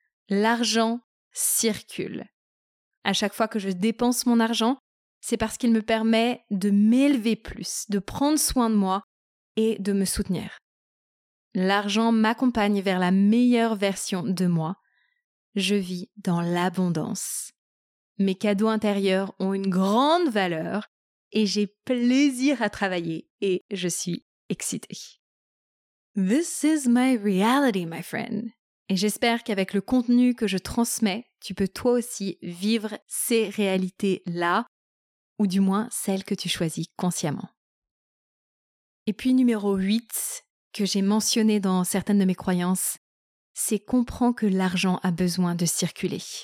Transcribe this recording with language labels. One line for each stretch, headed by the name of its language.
French: L'argent circule. À chaque fois que je dépense mon argent, c'est parce qu'il me permet de m'élever plus, de prendre soin de moi et de me soutenir. L'argent m'accompagne vers la meilleure version de moi. Je vis dans l'abondance. Mes cadeaux intérieurs ont une grande valeur et j'ai plaisir à travailler et je suis excitée.
English: This is my reality, my friend.
French: Et j'espère qu'avec le contenu que je transmets, tu peux toi aussi vivre ces réalités-là, ou du moins celles que tu choisis consciemment. Et puis numéro 8, que j'ai mentionné dans certaines de mes croyances, c'est comprendre que l'argent a besoin de circuler.